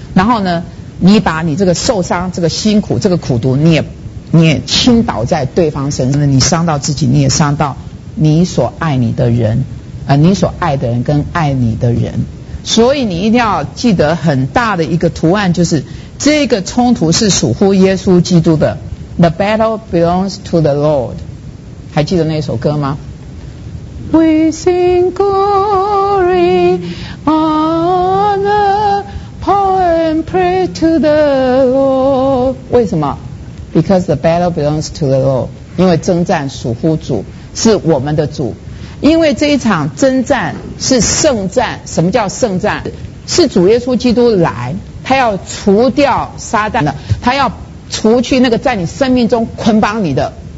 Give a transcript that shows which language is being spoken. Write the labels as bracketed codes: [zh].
[zh] 然后呢，你把你这个受伤、这个辛苦、这个苦毒，你也倾倒在对方身上，你伤到自己，你也伤到你所爱你的人，你所爱的人跟爱你的人。所以你一定要记得很大的一个图案，就是这个冲突是属乎耶稣基督的。 [en] The battle belongs to the Lord. [zh] 还记得那首歌吗？ [en] We sing glory, honor, power and pray to the Lord. [zh] 为什么？ [en] Because the battle belongs to the Lord. [zh] 因为征战属乎主，是我们的主。因为这一场征战是圣战。什么叫圣战？是主耶稣基督来，他要除掉撒旦的，他要除去那个在你生命中捆绑你的。